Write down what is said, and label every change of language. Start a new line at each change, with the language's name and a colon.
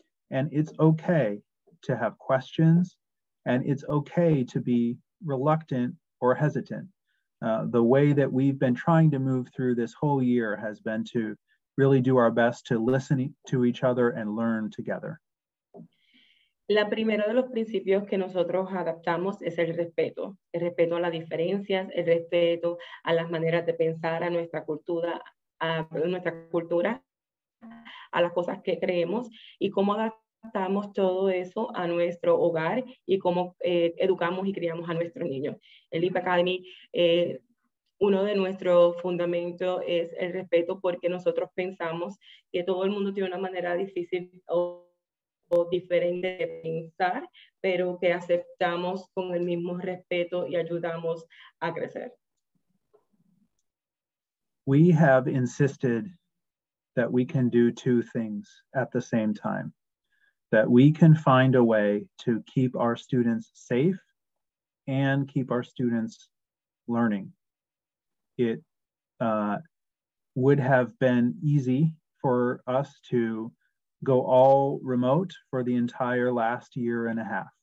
English: And it's okay to have questions, and it's okay to be reluctant or hesitant. The way that we've been trying to move through this whole year has been to really do our best to listen to each other and learn together.
Spanish: La primera de los principios que nosotros adaptamos es el respeto a las diferencias, el respeto a las maneras de pensar, a nuestra cultura, a las cosas que creemos y cómo adaptamos todo eso a nuestro hogar y cómo educamos y criamos a nuestros niños. El Leap Academy, uno de nuestros fundamentos es el respeto porque nosotros pensamos que todo el mundo tiene una manera difícil o diferente de pensar, pero que aceptamos con el mismo respeto y ayudamos a crecer.
English: We have insisted that we can do two things at the same time, that we can find a way to keep our students safe and keep our students learning. It would have been easy for us to go all remote for the entire last year and a half.